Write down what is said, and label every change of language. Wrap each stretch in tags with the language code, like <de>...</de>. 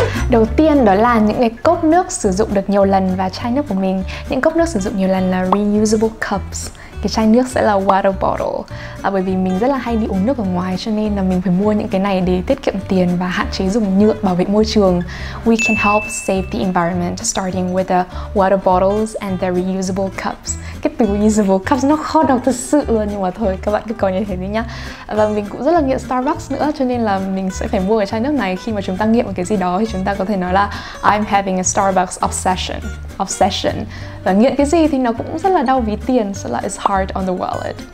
<vi>Đầu tiên đó là những cái cốc nước sử dụng được nhiều lần và chai nước của mình. Những cốc nước sử dụng nhiều lần là</vi> <en>reusable cups.</en> <vi>Cái chai nước sẽ là</vi> <en>water bottle.</en> <vi>Bởi vì mình rất là hay đi uống nước ở ngoài cho nên là mình phải mua những cái này để tiết kiệm tiền và hạn chế dùng nhựa, bảo vệ môi trường.</vi> <en>We can help save the environment starting with the water bottles and the reusable cups.</en> <vi>Cái từ</vi> <en>reusable cups</en> <vi>nó khó đọc thật sự luôn nhưng mà thôi các bạn cứ coi như thế đi nhá. Và mình cũng rất là nghiện Starbucks nữa cho nên là mình sẽ phải mua cái chai nước này khi mà chúng ta nghiện một cái gì đó thì chúng ta có thể nói là</vi> <en>I'm having a Starbucks obsession. Obsession.</en> <vi>Và nghiện cái gì thì nó cũng rất là đau ví tiền, so là</vi> <en>it's hard on the wallet.</en>